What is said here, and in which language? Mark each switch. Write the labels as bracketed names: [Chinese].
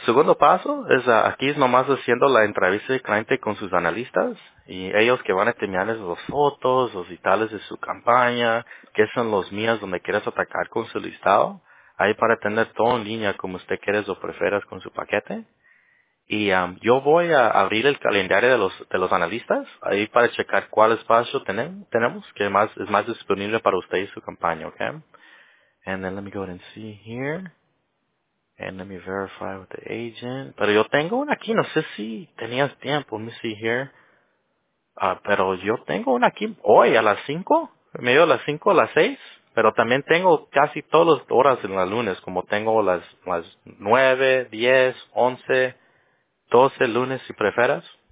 [Spanish] Segundo paso es aquí es nomás haciendo la entrevista del cliente con sus analistas y ellos que van a terminarles las fotos, los detalles de su campaña, qué son los mías donde quieres atacar con su listado, ahí para tener todo en línea como usted quieres o prefieras con su paquete. Y yo voy a abrir el calendario de los analistas ahí para checar cuál espacio tenemos que más es más disponible para usted y su campaña, ¿ok? [English] And then let me go ahead and see here. And let me verify with the agent. [Spanish] Pero yo tengo una aquí, no sé si tenías tiempo. [English] Let me see here. [Spanish] Pero yo tengo una aquí hoy a las 5, medio de las 5 a las 6. Pero también tengo casi todas las horas en las lunes, como tengo las 9, 10, 11, 12 lunes, si preferas.